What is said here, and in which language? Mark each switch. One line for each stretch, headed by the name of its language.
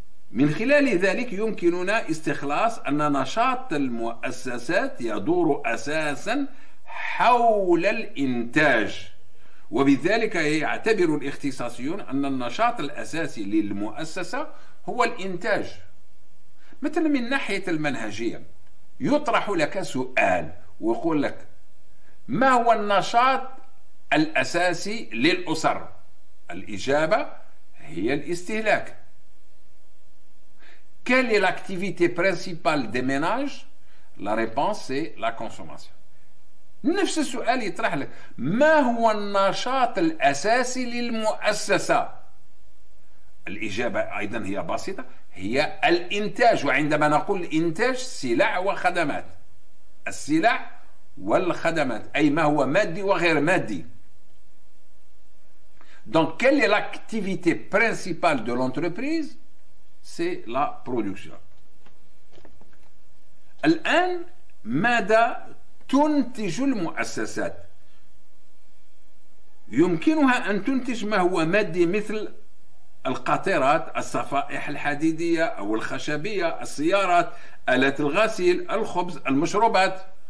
Arabic: من خلال ذلك يمكننا استخلاص أن نشاط المؤسسات يدور أساسا حول الإنتاج، وبذلك يعتبر الاختصاصيون أن النشاط الأساسي للمؤسسة هو الإنتاج. مثلا من ناحية المنهجية يطرح لك سؤال ويقول لك: ما هو النشاط الأساسي للأسر؟ الإجابة هي الاستهلاك.
French: Quelle est l'activité principale des ménages? La réponse est la consommation.
Arabic: نفس السؤال يطرح لك: ما هو النشاط الأساسي للمؤسسة؟ الإجابة أيضا هي بسيطة، هي الإنتاج. وعندما نقول إنتاج، سلع وخدمات، السلع والخدمات، أي ما هو مادي وغير مادي.
French: Donc quelle est l'activité principale de l'entreprise? C'est la production.
Arabic: الآن ماذا تنتج المؤسسات؟ يمكنها أن تنتج ما هو مادي مثل القاطرات، الصفائح الحديدية أو الخشبية، السيارات، آلات الغسيل، الخبز، المشروبات.